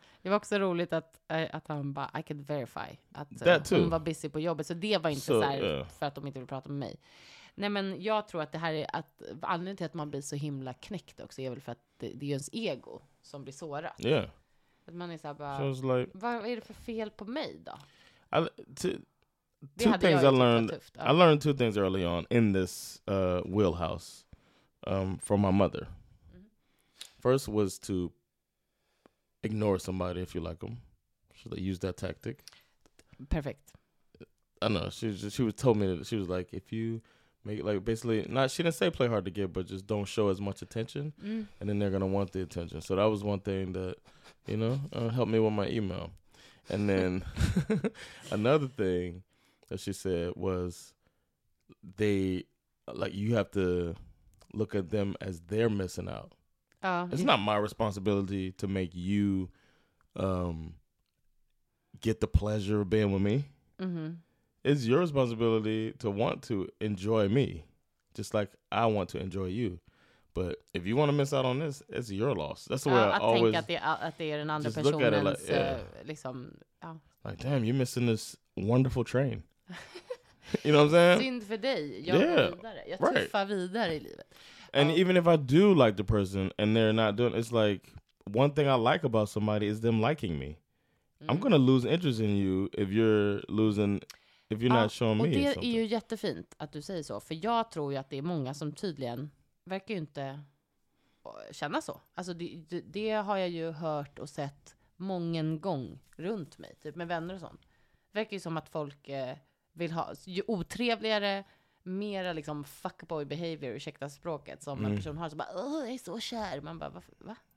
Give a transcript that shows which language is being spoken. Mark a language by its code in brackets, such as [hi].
[sv] Det var också roligt att han bara, [en] I could verify [sv] att hon var busy på jobbet. Så det var inte så här för att de inte ville prata med mig. Nej, men jag tror att det här är att anledningen till att man blir så himla knäckt också är väl för att det är ens ego som blir sårat. Ja. Yeah. Att man är så här bara, [en] so like, [sv] vad är det för fel på mig då? [en] I learned two things early on in this wheelhouse from my mother. Mm-hmm. First was to ignore somebody if you like them. Should they use that tactic? Perfect. I know. She told me that if you make it, like, basically, not, she didn't say play hard to get, but just don't show as much attention, and then they're gonna want the attention. So that was one thing that, you know, helped me with my email. And then another thing that she said was, they, like, you have to look at them as they're missing out. It's not my responsibility to make you get the pleasure of being with me. Mm-hmm. It's your responsibility to want to enjoy me, just like I want to enjoy you. But if you want to miss out on this, it's your loss. That's the way I always [sv] think att det är den andra personens, [en] look at it like, [sv] liksom, [en] like, damn, you're missing this wonderful train. You know what I'm saying? [sv] Synd för dig. Jag tuffar vidare i livet. [en] And even if I do like the person and they're not doing, it's like, one thing I like about somebody is them liking me. Mm. I'm going to lose interest in you if you're not showing me. [sv] Och det är ju jättefint att du säger så. För jag tror ju att det är många som tydligen verkar ju inte känna så. Alltså det har jag ju hört och sett många gånger runt mig. Typ med vänner och sånt. Verkar ju som att folk vill ha ju otrevligare, mera liksom [en] fuckboy behavior, [sv] ursäkta språket, som en person har, så bara, jag är så kär. Man bara, va?